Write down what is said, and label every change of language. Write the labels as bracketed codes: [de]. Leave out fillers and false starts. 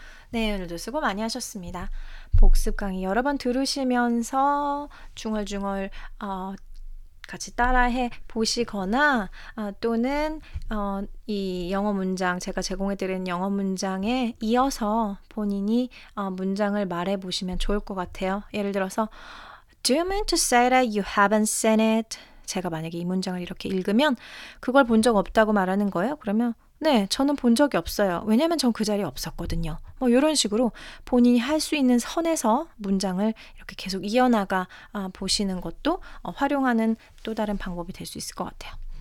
[ko] 네, 오늘도 수고 많이 하셨습니다. 복습 강의 여러 번 들으시면서 중얼중얼 같이 따라해 보시거나 또는 이 영어 문장, 제가 제공해드린 영어 문장에 이어서 본인이 문장을 말해 보시면 좋을 것 같아요. 예를 들어서 [en] Do you mean to say that you haven't seen it? [ko] 제가 만약에 이 문장을 이렇게 읽으면 그걸 본 적 없다고 말하는 거예요? 그러면 네, 저는 본 적이 없어요. 왜냐면 전 그 자리에 없었거든요. 뭐 이런 식으로 본인이 할 수 있는 선에서 문장을 이렇게 계속 이어나가 보시는 것도 활용하는 또 다른 방법이 될 수 있을 것 같아요.